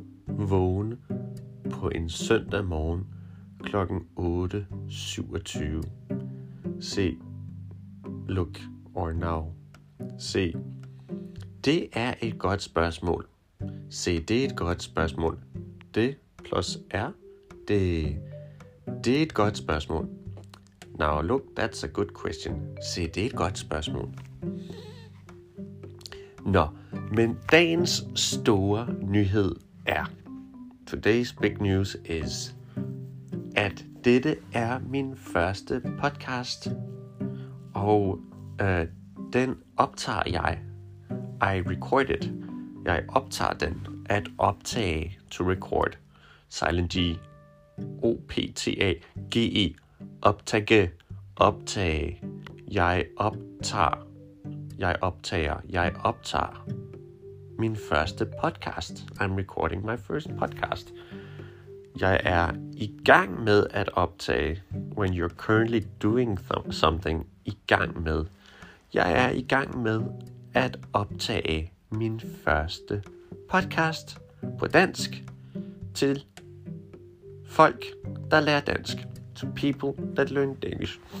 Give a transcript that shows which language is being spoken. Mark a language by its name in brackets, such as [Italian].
[Danish] Vågen på en søndag morgen klokken 8:27. Se, look or now. Se. Det er et godt spørgsmål. Se, det er et godt spørgsmål. Det plus er det. Det er et godt spørgsmål. [English] Now look, that's a good question. [Danish] Se, det er et godt spørgsmål. Nå, men dagens store nyhed er, [English] today's big news is, [Danish] at dette er min første podcast, og den optager jeg. [English] I record it. [Danish] Jeg optager den. At optage, [English] to record. Silent G. [Danish] O-P-T-A-G-E. Optage. Optage. Jeg optager. Jeg optager. Jeg optager. Min første podcast. [English] I'm recording my first podcast. [Danish] Jeg er i gang med at optage. [English] When you're currently doing something. [Danish] I gang med. Jeg er i gang med at optage min første podcast på dansk til folk, der lærer dansk. [English] To people that learn Danish.